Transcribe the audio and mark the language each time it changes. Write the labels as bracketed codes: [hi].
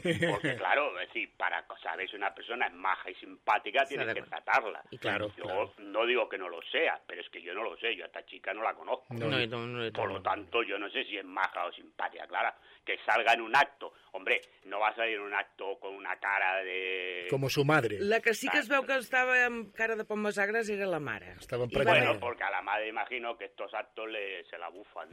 [es] Porque claro, es decir, para saber si una persona es maja y simpática, tienes que tratarla. Y claro, yo claro. No digo que no lo sea, pero es que yo no lo sé, yo a esta chica no la conozco. Por lo tanto, yo no sé si es maja o simpática, claro. Que salga en un acto. Hombre, no va a salir en un acto con una cara de... Como su madre. [ca] La que sí que es veu que estava amb cara de pomes agres era la mare. Estava empregada. [es] Bueno, porque a la madre imagino que estos actos se la bufan.